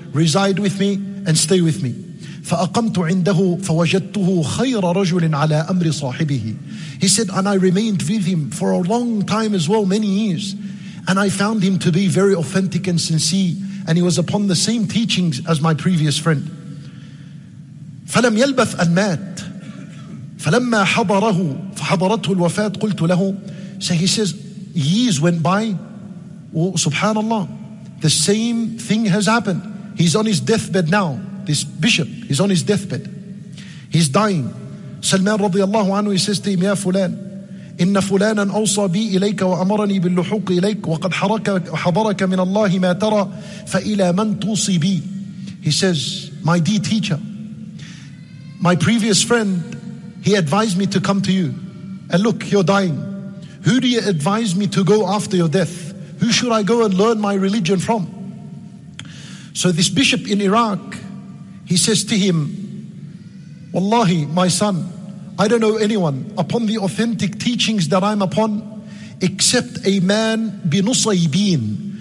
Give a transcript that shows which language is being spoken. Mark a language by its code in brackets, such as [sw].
[en] Reside with me and stay with me. [ar] فَأَقَمْتُ عِنْدَهُ فَوَجَدْتُهُ خَيْرَ رَجُلٍ عَلَىٰ أَمْرِ صَاحِبِهِ [en] He said, and I remained with him for a long time as well, many years. And I found him to be very authentic and sincere. And he was upon the same teachings as my previous friend. [ar] فَلَمْ يَلْبَثْ أَنْ مَاتْ فَلَمَّا حَضَرَهُ فَحَضَرَتْهُ الْوَفَاةِ قُلْتُ لَهُ [en] So he says, years went by. Well, subhanallah, the same thing has happened. He's on his deathbed now. This bishop, he's on his deathbed. He's dying. Salman radiallahu anhu, he says to him, Ya Fulan, [ar] إن فلانا أوصى بي إليك وأمرني باللحوق إليك وقد حضرك من الله ما ترى فإلى من توصي بي. [en] He says, my dear teacher, my previous friend, he advised me to come to you. And look, you're dying. Who do you advise me to go after your death? Who should I go and learn my religion from? So this bishop in Iraq, he says to him, Wallahi, my son, I don't know anyone upon the authentic teachings that I'm upon, except a man بنصيبين.